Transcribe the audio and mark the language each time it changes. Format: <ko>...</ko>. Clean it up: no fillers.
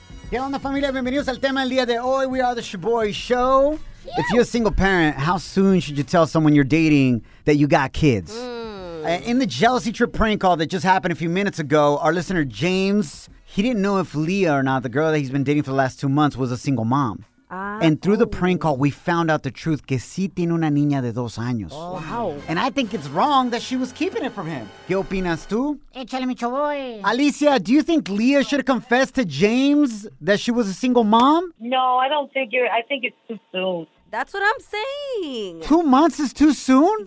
<es>Qué onda, familia, bienvenidos al tema del día de hoy.</es> <en>We are the Shaboy Show. Yeah. If you're a single parent, how soon should you tell someone you're dating that you got kids? Mm. In the Jealousy Trip prank call that just happened a few minutes ago, our listener James, he didn't know if Leah or not, the girl that he's been dating for the last 2 months, was a single mom. And through the prank call, we found out the truth,</en> <es>que sí tiene una niña de dos años.</es> <en>Wow. And I think it's wrong that she was keeping it from him.</en> <es>¿Qué opinas tú? Échale, mi chavoy.</es> <en>Alicia, do you think Leah should have confessed to James that she was a single mom? No, I don't think I think it's too soon. That's what I'm saying. 2 months is too soon?</en>